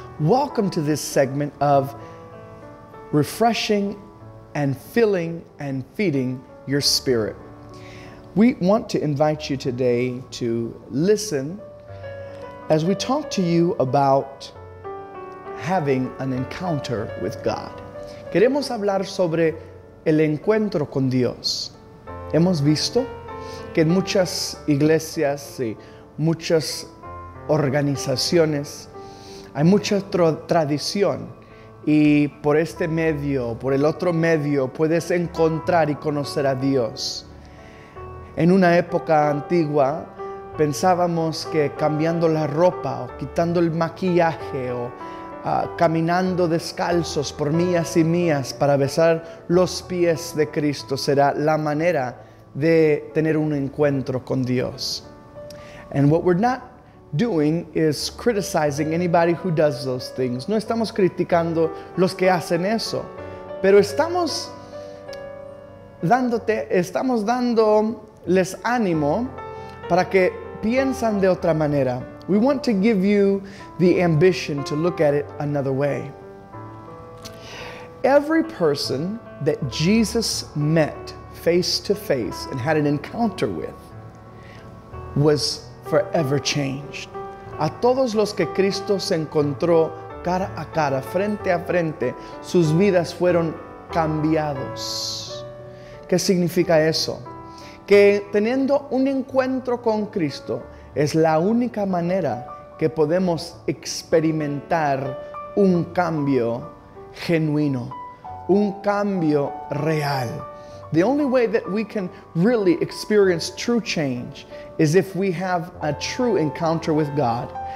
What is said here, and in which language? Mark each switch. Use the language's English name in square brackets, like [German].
[English] Welcome to this segment of Refreshing and Filling and Feeding Your Spirit. We want to invite you today to listen as we talk to you about having an encounter with God. [Spanish] Queremos hablar sobre el encuentro con Dios. Hemos visto que en muchas iglesias y muchas organizaciones hay mucha tradición, y por este medio, por el otro medio, puedes encontrar y conocer a Dios. En una época antigua pensábamos que cambiando la ropa o quitando el maquillaje o caminando descalzos por millas y millas para besar los pies de Cristo será la manera de tener un encuentro con Dios. [English] And what we're not doing is criticizing anybody who does those things. [Spanish] No estamos criticando los que hacen eso, pero estamos dándoles ánimo para que piensen de otra manera. [English] We want to give you the ambition to look at it another way. Every person that Jesus met face to face and had an encounter with was forever changed. [Spanish] A todos los que Cristo se encontró cara a cara, frente a frente, sus vidas fueron cambiados. ¿Qué significa eso? Que teniendo un encuentro con Cristo es la única manera que podemos experimentar un cambio genuino, un cambio real. [English] The only way that we can really experience true change is if we have a true encounter with God.